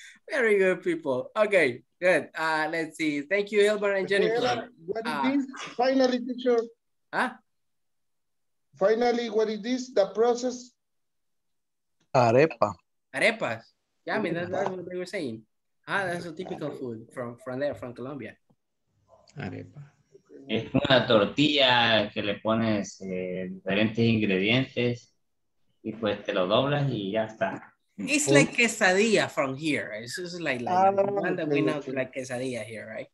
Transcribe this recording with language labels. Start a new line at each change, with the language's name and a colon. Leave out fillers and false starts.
English: Very good, people. Okay, good. Let's see. Thank you, Hilbert and Jennifer. What is this? Finally, teacher. Huh? Finally, what is this? The process? Arepa. Arepas. Yeah, I mean, that's what they were saying. Ah, that's a typical food from there, from Colombia. Arepa.
Spanish: Es una tortilla que le pones diferentes ingredientes y pues te lo doblas y ya está.
English: It's like quesadilla from here. It's just like one that we know to like quesadilla here, right?